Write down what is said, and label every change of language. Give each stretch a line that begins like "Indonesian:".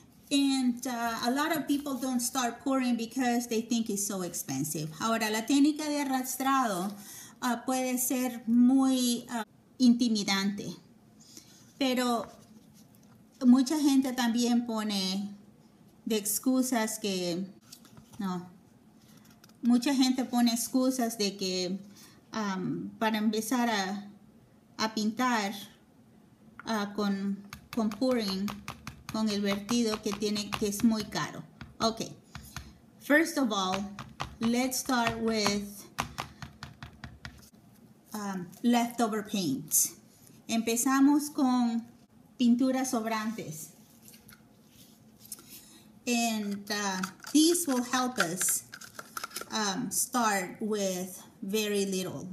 English: And a lot of people don't start pouring because they think it's so expensive.
Spanish: Ahora, la técnica de arrastrado puede ser muy intimidante. Pero mucha gente también pone de excusas que... No. Mucha gente pone excusas de que para empezar a pintar con pouring, con el vertido que tiene, que es muy caro.
English: Okay. First of all, let's start with leftover paints.
Spanish: Empezamos con pinturas sobrantes.
English: And these will help us start with very little.